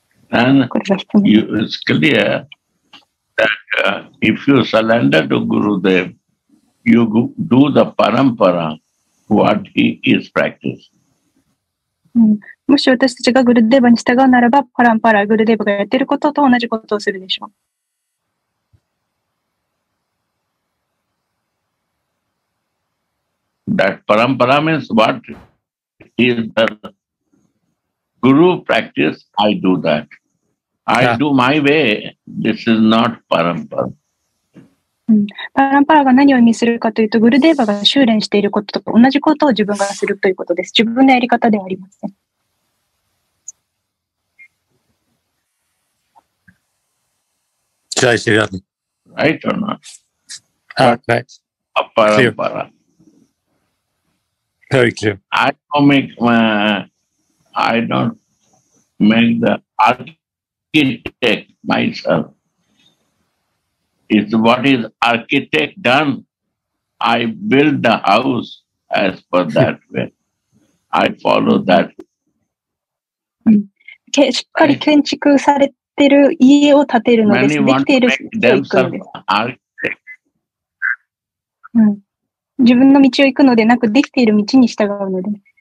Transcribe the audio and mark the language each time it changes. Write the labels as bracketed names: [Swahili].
[English] And it's clear that if you surrender to Gurudev, you do the parampara what he is practicing. [Japanese] もし私たちがグルデーバに従うならば、パランパラ、グルデーバがやっていることと同じことをするでしょう。 [English] That parampara means what is the guru practice, I do that. I do my way, this is not parampara. [Japanese] パランパラが何を意味するかというと、グルデーバが修練していることと同じことを自分がするということです。自分のやり方ではありません。 [English] Should I say that? Right or not? Right. A parampara. Very clear. I don't make the architect myself. It's what is architect done. I build the house as per that way. I follow that. [Japanese] しっかり建築されてる家を建てるのです。できている人が行くんです。自分の道を行くのでなく、できている道に従うのです。